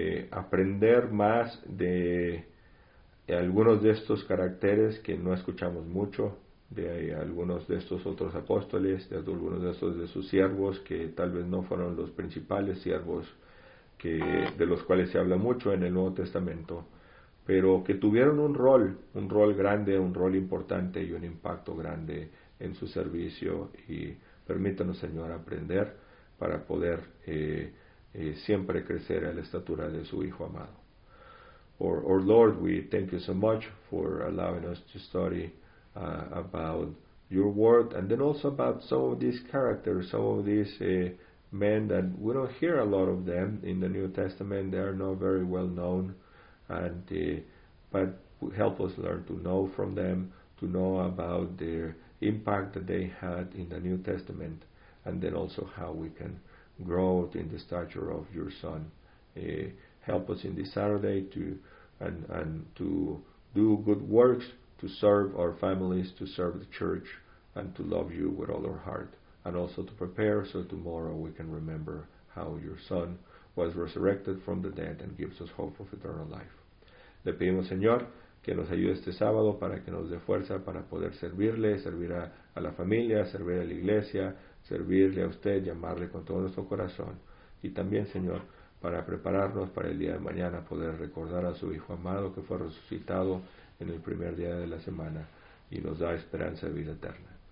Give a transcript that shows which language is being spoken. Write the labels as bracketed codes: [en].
[es] aprender más de algunos de estos caracteres que no escuchamos mucho, de algunos de estos otros apóstoles, de algunos de estos de sus siervos, que tal vez no fueron los principales siervos de los cuales se habla mucho en el Nuevo Testamento, pero que tuvieron un rol grande, un rol importante y un impacto grande en su servicio. Y permítanos, Señor, aprender para poder siempre crecer a la estatura de su Hijo amado. [en] Or Lord, we thank you so much for allowing us to study about your world, and then also about some of these characters, some of these men that we don't hear a lot of them in the New Testament. They are not very well known, and but help us learn to know from them, to know about their impact that they had in the New Testament, and then also how we can grow in the stature of your Son. Help us in this Saturday to do good works, to serve our families, to serve the church, and to love you with all our heart, and also to prepare so tomorrow we can remember how your Son was resurrected from the dead and gives us hope of eternal life. [es] Le pedimos, Señor, que nos ayude este sábado para que nos dé fuerza para poder servirle, servir a la familia, servir a la iglesia, servirle a usted, llamarle con todo nuestro corazón. Y también, Señor, para prepararnos para el día de mañana, poder recordar a su Hijo amado que fue resucitado en el primer día de la semana y nos da esperanza de vida eterna.